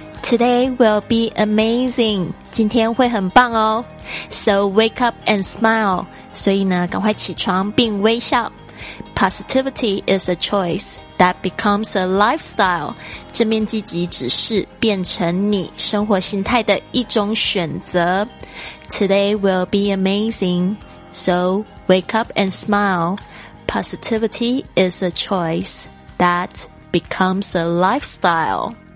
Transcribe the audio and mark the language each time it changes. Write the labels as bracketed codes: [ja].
[en] Today will be amazing. [zh] 今天会很棒哦。 [en] So wake up and smile. [zh] 所以呢，赶快起床并微笑。 [en] Positivity is a choice that becomes a lifestyle. [zh] 正面积极只是变成你生活心态的一种选择。 [en] Today will be amazing. So wake up and smile. Positivity is a choice that becomes a lifestyle.